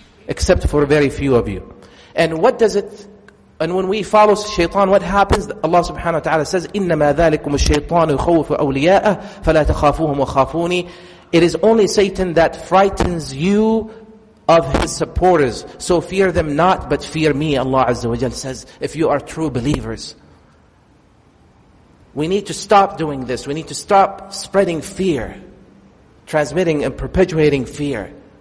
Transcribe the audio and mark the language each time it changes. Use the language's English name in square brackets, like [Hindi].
[English] except for very few of you. And what does it, and when we follow shaitan, what happens? [Arabic] Allah subhanahu wa ta'ala says, إِنَّمَا ذَلِكُمُ الشَّيْطَانُ يُخَوْفُ أَوْلِيَاءَ فَلَا تَخَافُوهُمْ وَخَافُونِ. [English] It is only Satan that frightens you of his supporters. So fear them not, but fear me, Allah Azza wa Jal says, if you are true believers. We need to stop doing this. We need to stop spreading fear, transmitting and perpetuating fear.